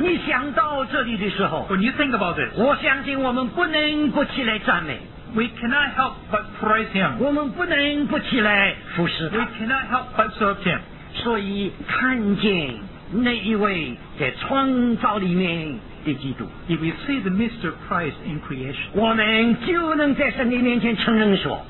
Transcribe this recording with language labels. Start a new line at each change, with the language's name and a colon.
Chinese: 你想到这里的时候。
English: When you think about this.
Chinese: 我相信我们不能不起来赞美。
English: We cannot help but praise him.
Chinese: 我们不能不起来服侍他。
English: We cannot help but serve him.
Chinese: 所以看见那一位在创造里面的基督。
English: If we see the mystery of Christ in creation.
Chinese: 我们就能在神的面前承认说。